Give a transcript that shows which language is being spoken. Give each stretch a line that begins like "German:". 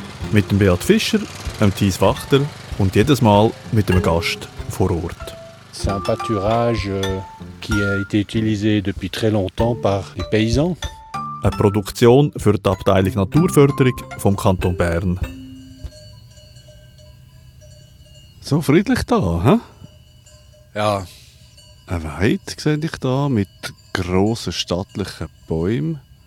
German: Mit dem Beat Fischer, dem Thies Wachter und jedes Mal mit einem Gast vor Ort.
French: C'est un pâturage qui a été utilisé depuis très longtemps par les paysans.
German: Eine Produktion für die Abteilung Naturförderung vom Kanton Bern. So friedlich da, hä? Ja. Eine Weide sehe ich da mit grossen stattlichen Bäumen.